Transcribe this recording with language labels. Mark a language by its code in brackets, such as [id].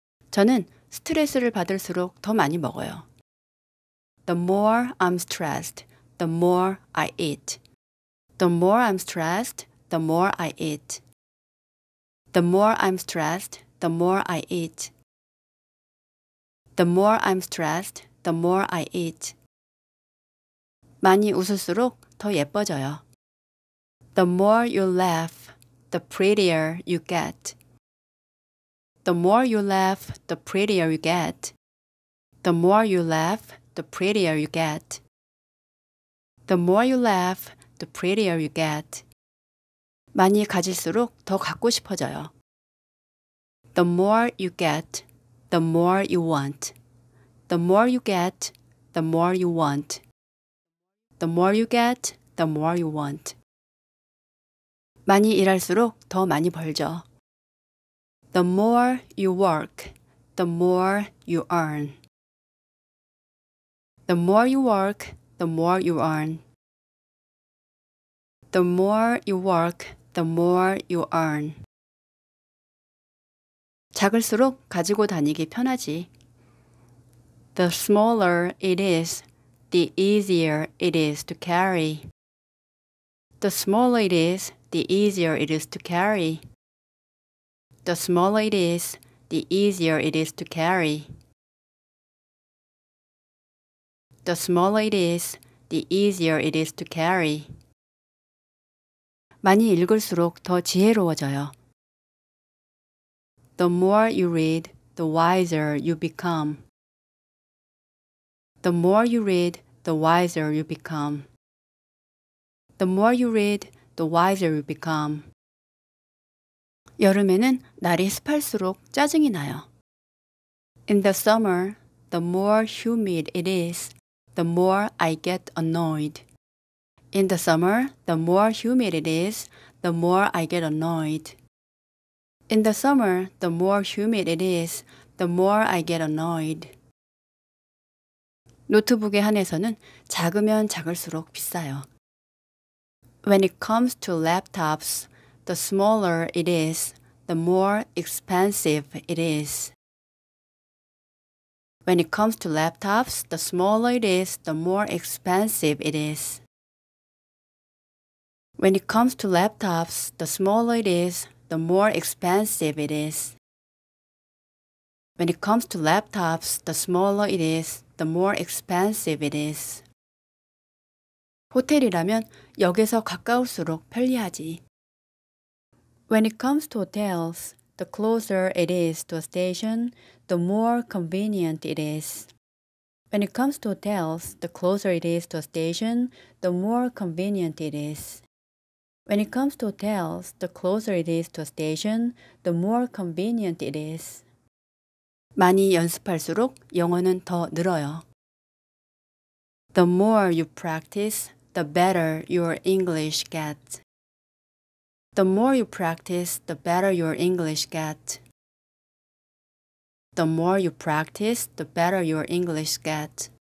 [ko] 저는 스트레스를 받을수록 더 많이 먹어요. [en] The more I'm stressed, the more I eat. The more I'm stressed, the more I eat. The more I'm stressed, the more I eat. The more I'm stressed, the more I eat. [ko] 많이 웃을수록 더 예뻐져요. [en] The more you laugh, the prettier you get. The more you laugh, the prettier you get. The more you laugh, the prettier you get. The more you laugh, the prettier you get. [ko] 많이 가질수록 더 갖고 싶어져요. [en] The more you get, the more you want. The more you get, the more you want. The more you get, the more you want. [ko] 많이 일할수록 더 많이 벌죠. [en] The more you work, the more you earn. The more you work, the more you earn. The more you work, the more you earn. [ko] 작을수록 가지고 다니기 편하지. [en] The smaller it is, the easier it is to carry. The smaller it is, the easier it is to carry. The smaller it is, the easier it is to carry. The smaller it is, the easier it is to carry. [ko] 많이 읽을수록 더 지혜로워져요. [en] The more you read, the wiser you become. The more you read, the wiser you become. The more you read, the wiser you become. [ko] 여름에는 날이 습할수록 짜증이 나요. [en] In the summer, the more humid it is, the more I get annoyed. In the summer, the more humid it is, the more I get annoyed. In the summer, the more humid it is, the more I get annoyed. [ko] 노트북에 한해서는 작으면 작을수록 비싸요. [en] When it comes to laptops, the smaller it is, the more expensive it is. When it comes to laptops, the smaller it is, the more expensive it is. When it comes to laptops, the smaller it is, the more expensive it is. When it comes to laptops, the smaller it is, the more expensive it is. [ko] 호텔이라면 역에서 가까울수록 편리하지. [en] When it comes to hotels, the closer it is to a station, the more convenient it is. When it comes to hotels, the closer it is to a station, the more convenient it is. When it comes to hotels, the closer it is to a station, the more convenient it is. [ko] 많이 연습할수록 영어는 더 늘어요. [en] The more you practice, the better your English gets. The more you practice, the better your English gets. The more you practice, the better your English gets.